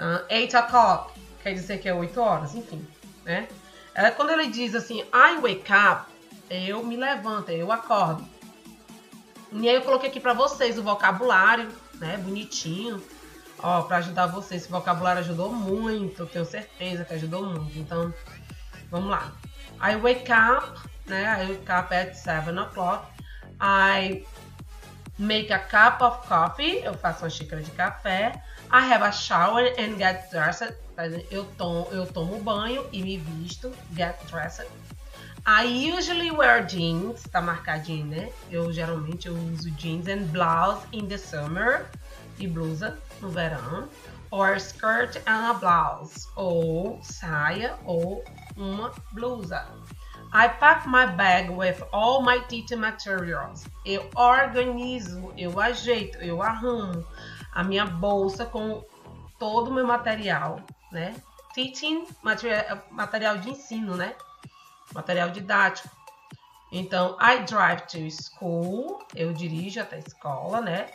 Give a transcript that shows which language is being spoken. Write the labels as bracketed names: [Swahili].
[Portuguese] 8 o'clock, quer dizer que é 8 horas, enfim, né? Quando ele diz assim, [English] I wake up, [Portuguese] eu me levanto, eu acordo. E aí eu coloquei aqui pra vocês o vocabulário, né, bonitinho, ó, pra ajudar vocês. Esse vocabulário ajudou muito, tenho certeza que ajudou muito. Então, vamos lá. [English] I wake up, né, I wake up at 7 o'clock. I make a cup of coffee, [Portuguese] eu faço uma xícara de café. [English] I have a shower and get dressed. [Portuguese] Eu tomo banho e me visto, [English] get dressed. I usually wear jeans, [Portuguese] tá marcadinho, né? Geralmente eu uso [English] jeans and blouse in the summer, [Portuguese] e blusa no verão, [English] or skirt and a blouse, [Portuguese] ou saia ou uma blusa. [English] I pack my bag with all my teaching materials. [Portuguese] Eu organizo, eu ajeito, eu arrumo a minha bolsa com todo o meu material, né? [English] Teaching material [Portuguese] de ensino, né? Material didático. Então, [English] I drive to school, [Portuguese] eu dirijo até a escola, né?